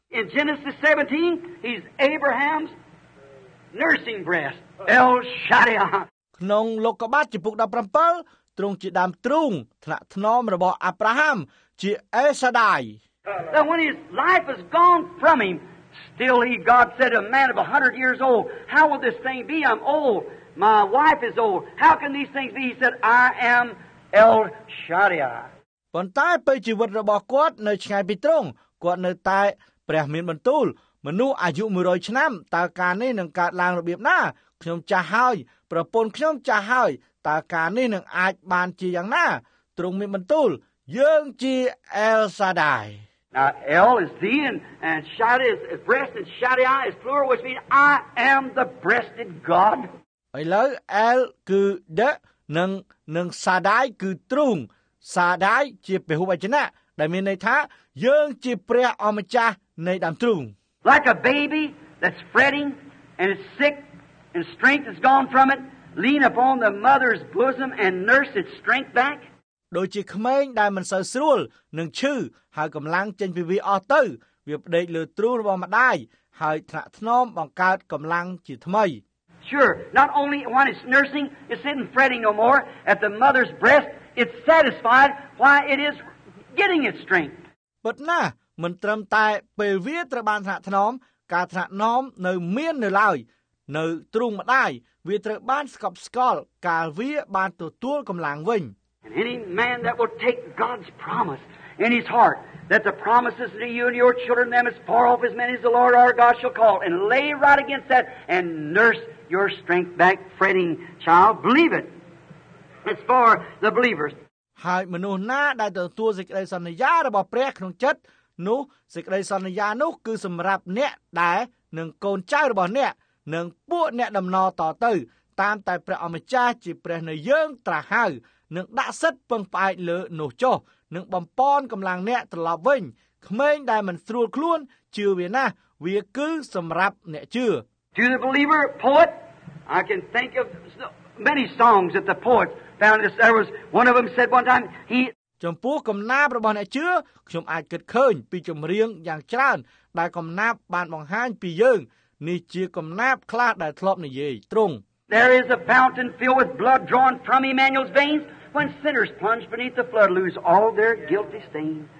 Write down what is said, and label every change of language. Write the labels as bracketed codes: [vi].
[en] In Genesis 17 he's Abraham's nursing breast El Shaddai. [km] ក្នុងលោកកបាទជំពូក17ទ្រង់ជាដើមទ្រូងថ្នាក់ថ្នមរបស់អាប់រ៉ាហាំជាអេសាដាយ [en] Now when his life is gone from him still he God said to a man of 100 years old how will this thing be I'm old my wife is old how can these things be he said I am El Shaddai [km] ប៉ុន្តែពេលជីវិតរបស់គាត់នៅឆ្ងាយពីទ្រង់គាត់នៅតែព្រះមានបន្ទូលមនុស្សអាយុ100ឆ្នាំតើការនេះនឹងកើតឡើងរបៀបណាខ្ញុំចាស់ហើយប្រពន្ធខ្ញុំចាស់ហើយតើការនេះនឹងអាចបានជាយ៉ាងណាទ្រង់មានបន្ទូលយើងជាអេលសាដាយ [en] Now El is the and Shaddai is breast and Shaddai is plural which means I am the breasted God [km] ឥឡូវអេលគឺដេនឹងសាដាយគឺទ្រូងសាដាយជាពហុវចនៈដែលមានន័យថាយើងជាព្រះអម្ចាស់នៃដើមទ្រូង [en] Like a baby that's fretting and is sick and strength is gone from it lean upon the mother's bosom and nurse its strength back [km] ដូចជាក្មេងដែលមិនសូវស្រួលនឹងឈឺហើយកំឡាំងចេញពីវាអស់ទៅវាផ្ដេកលើទ្រូងរបស់ម្ដាយហើយថ្នាក់ថ្នមបង្កើតកំឡាំងជាថ្មី [en] Sure not only when it's nursing it's not fretting no more at the mother's breast it's satisfied why it is getting its strength But nah [km] មិនត្រឹមតែពេលវាត្រូវបានថ្នាក់ថ្នមការថ្នាក់ថ្នមនៅមាននៅឡើយនៅទ្រូងម្ដាយវាត្រូវបានស្កប់ស្កល់កាលវាបានទទួលកំឡាំងវិញ [en] And any man that will take God's promise in his heart that the promises to you and your children them as far off as many as the Lord our God shall call and lay right against that and nurse your strength back fretting child believe it it's for the believers [km] ហើយមនុស្សណាដែលទទួលសេចក្តីសន្យារបស់ព្រះក្នុងចិត្តនោះសេចក្តីសន្យានោះគឺសម្រាប់អ្នកដែលនឹងកូនចៅរបស់អ្នកនឹងពួកអ្នកដំណើរតទៅតាមតែព្រះអម្ចាស់ជាព្រះនៃយើងត្រាស់ហៅនឹងដាក់សិតពឹងផ្អែកលើនោះចុះនឹងបំពន់កម្លាំងអ្នកត្រឡប់វិញក្មេងដែលមិនស្រួលខ្លួនជឿវាណាស់វាគឺសម្រាប់អ្នកជឿ [en] To the believer poet I can think of many songs that the poet found this there was one of them said one time he [km] ចំពោះកំណាប្របស់អ្នកជឿខ្ញុំអាចគិតឃើញពីចម្រៀងយ៉ាងច្រើនដែលកំណាប់បានបង្ហាញពីយើងនេះជាកំណាប់ខ្លះដែលធ្លាប់និយាយត្រង់ [en] There is a fountain filled with blood drawn from Emmanuel's veins When sinners plunge beneath the flood lose all their guilty stain.